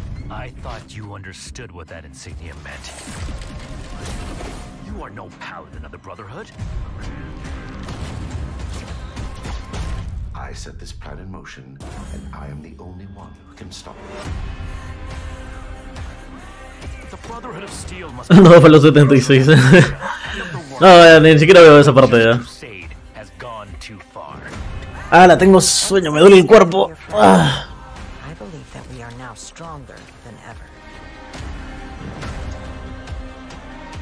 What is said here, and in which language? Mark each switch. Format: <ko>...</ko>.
<en>I thought you understood what that insignia meant. You are no paladin of the Brotherhood. I set this plan in motion, and I am the only one who can stop it. The Brotherhood of Steel must</en> <es>No, fue los 76. No, ni siquiera veo esa parte ya. Ah, la tengo sueño, me duele el cuerpo.</es> <en>I believe that we are now stronger than ever.</en>